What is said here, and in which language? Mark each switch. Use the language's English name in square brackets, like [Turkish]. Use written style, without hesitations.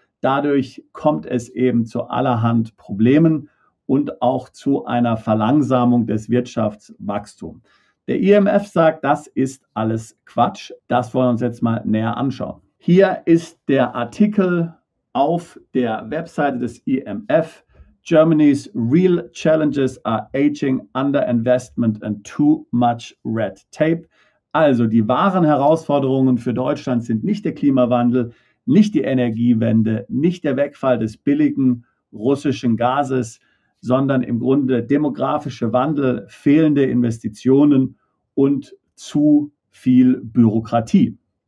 [German] Dadurch kommt es eben zu allerhand Problemen und auch zu einer Verlangsamung des Wirtschaftswachstums. Der IMF sagt, das ist alles Quatsch. Das wollen wir uns jetzt mal näher anschauen. Hier ist der Artikel auf der Webseite des IMF. [English] Germany's real challenges are aging, underinvestment and too much red tape. [German] Also die wahren Herausforderungen für Deutschland sind nicht der Klimawandel, nicht die Energiewende, nicht der Wegfall des billigen russischen Gases, sondern im Grunde demografischer Wandel, fehlende Investitionen und zu viel Bürokratie.